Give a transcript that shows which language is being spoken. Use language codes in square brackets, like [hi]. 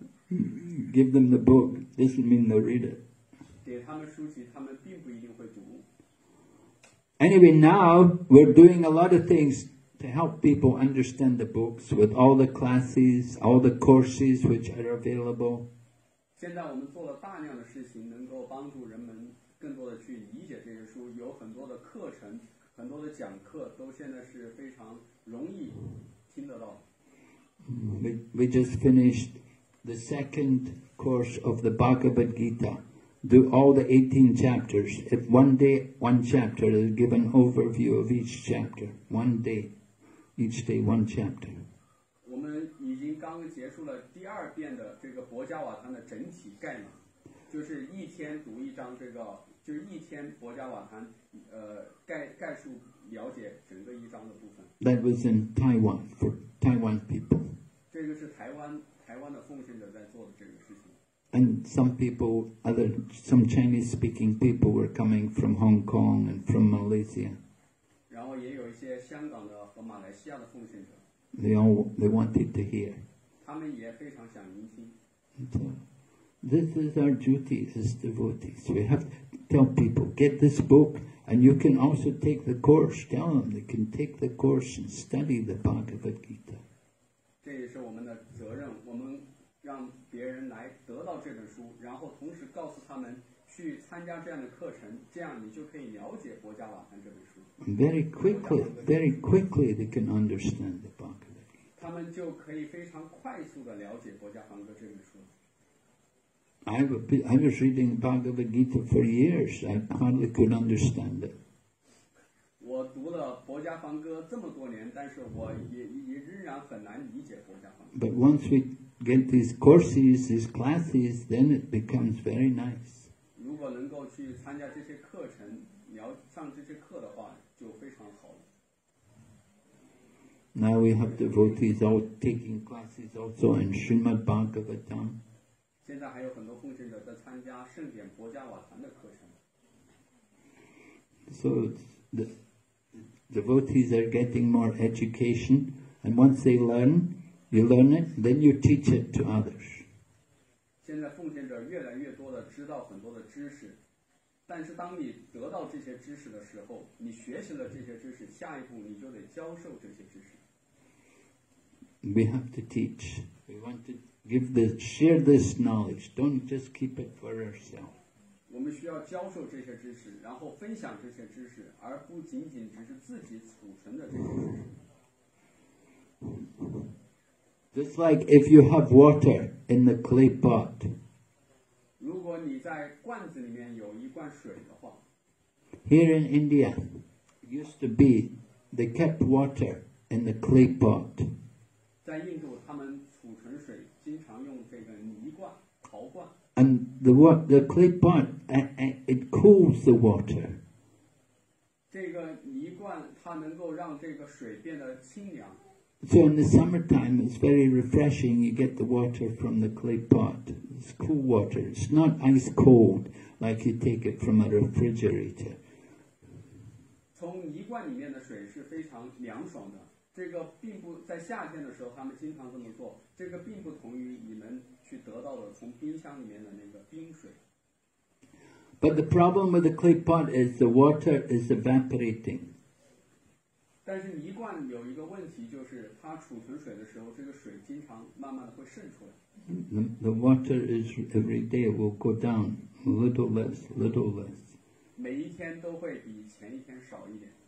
[en] Give them the book, doesn't mean they'll read it. [zh] 给他们书籍，他们并不一定会读。 [en] Anyway, now we're doing a lot of things to help people understand the books with all the classes, all the courses which are available. [zh] 现在我们做了大量的事情，能够帮助人们更多的去理解这些书，有很多的课程。很多的讲课都现在是非常容易听得到。 [en] We just finished the second course of the Bhagavad Gita. Do all the 18 chapters. If one day one chapter, they'll give an overview of each chapter. One day, each day one chapter. [zh] 我们已经刚刚结束了第二遍的这个薄伽瓦坛的整体概览，就是一天读一章这个。就一天佛家瓦坛概述了解整个一章的部分。 [en] That was in Taiwan for Taiwan people. [zh] 这个是台湾的奉献者在做的这个事情。 [en] And some Chinese speaking people were coming from Hong Kong and from Malaysia. [zh] 然后也有一些香港的和马来西亚的奉献者。 [en] They wanted to hear. [zh] 他们也非常想聆听。 [en] This is our duty as devotees. We have to tell people, get this book, and you can also take the course. Tell them they can take the course and study the Bhagavad Gita. This is our duty. We let people get this book, and then also tell them to come and take this course. So you can understand the Bhagavad Gita very quickly. Very quickly, very quickly, they can understand the Bhagavad Gita. They can very quickly understand the Bhagavad Gita. I was reading Bhagavad Gita for years. I hardly could understand it. [zh] 我读了佛家梵歌这么多年，但是我也仍然很难理解佛家梵歌。 [en] But once we get these courses, these classes, then it becomes very nice. [zh] 如果能够去参加这些课程，了上这些课的话，就非常好了。 [en] Now we have devotees all taking classes also in Srimad Bhagavatam. [zh] 现在还有很多奉献者在参加盛典薄伽瓦坛的课程。 [en] So the devotees are getting more education, and once they learn, you learn it, then you teach it to others. [zh] 现在奉献者越来越多的知道很多的知识，但是当你得到这些知识的时候，你学习了这些知识，下一步你就得教授这些知识。 [en] We have to teach. We want to. Give this, share this knowledge. Don't just keep it for ourselves. [zh] 我们需要教授这些知识，然后分享这些知识，而不仅仅只是自己储存的这些知识。 [en] Just like if you have water in the clay pot. [zh] 如果你在罐子里面有一罐水的话。 [en] Here in India, it used to be they kept water in the clay pot. [zh] 在印度，他们储存水。经常用这个泥罐、陶罐。 [en] And the clay pot, it cools the water. [zh] 这个泥罐它能够让这个水变得清凉。 [en] So in the summertime, it's very refreshing. You get the water from the clay pot. It's cool water. It's not ice cold like you take it from a refrigerator. [zh] 从泥罐里面的水是非常凉爽的。这个并不在夏天的时候，他们经常这么做。这个并不同于你们去得到的从冰箱里面的那个冰水。 [en] But the problem with the clay pot is the water is evaporating. [zh] 但是泥罐有一个问题，就是它储存水的时候，这个水经常慢慢的会渗出来。 [en] The water is every day will go down a little less, little less. [zh] 每一天都会比前一天少一点。